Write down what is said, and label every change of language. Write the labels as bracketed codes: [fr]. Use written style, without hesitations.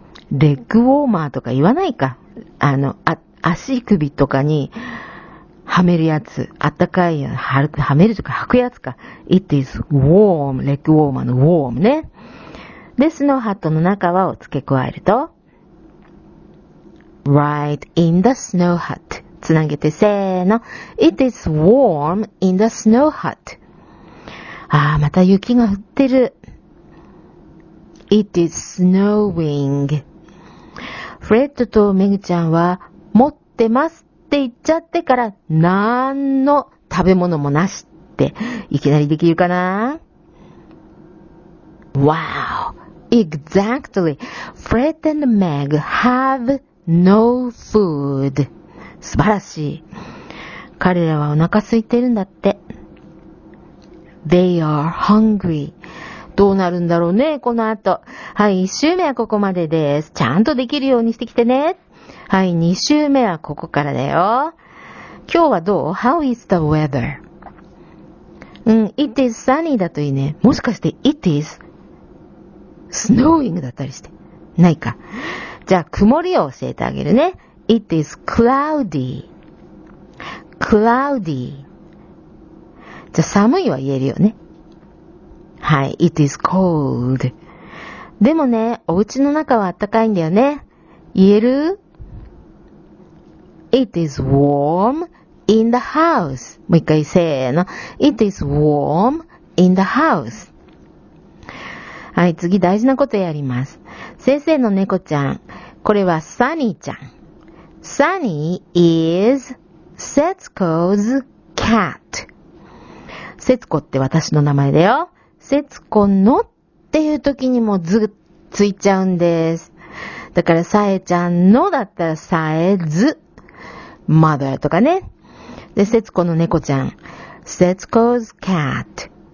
[ja] レッグウォーマーとか言わないか。足首とかにはめるやつ。暖かいやつ、はめるとか履くやつか。 [en] It is warm. [ja] レッグウォーマーの warm ね。で、スノーハットの中はを付け加えると、 [en] Right in the snow hut. [ja] つなげてせーの。 [en] It is warm in the snow hut. [ja] ああ、また雪が降ってる。 [en] It is snowing. [ja] フレッドとメグちゃんは持ってますって言っちゃってから何の食べ物もなしっていきなりできるかな ? [en] Wow! Exactly! Fred and Meg haveNo food. [ja] 素晴らしい。彼らはお腹空いてるんだって。 [en] They are hungry. [ja] どうなるんだろうね、この後。はい、一週目はここまでです。ちゃんとできるようにしてきてね。はい、二週目はここからだよ。今日はどう [en] ?How is the weather? [ja] うん、 [en] It is sunny [ja] だといいね。もしかして [en] It is snowing [ja] だったりして。ないか。じゃあ、曇りを教えてあげるね。 [en] It is cloudy. Cloudy. [ja] じゃあ、寒いは言えるよね。はい。 [en] It is cold. [ja] でもね、お家の中は暖かいんだよね。言える？ [en] It is warm in the house. もう一回せーの。 It is warm in the house. [ja] はい。次、大事なことやります。先生の猫ちゃん。これはサニーちゃん。 [en] サニー is Setsuko's cat. [ja] セツコって私の名前だよ。セツコのっていう時にもずっついちゃうんです。だからサエちゃんのだったらサエズ mother とかね。で、セツコの猫ちゃん。 [en] Setsuko's cat.